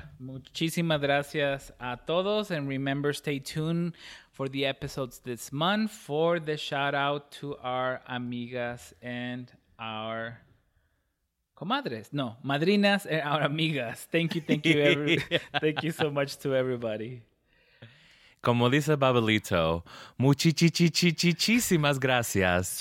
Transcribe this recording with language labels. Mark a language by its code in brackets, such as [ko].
[es] Muchísimas gracias a todos. [en] And remember, stay tuned for the episodes this month for the shout out to our amigas and our comadres. No, madrinas and our amigas. Thank you. Thank you so much to everybody. [es] Como dice Babelito, muchísimas gracias.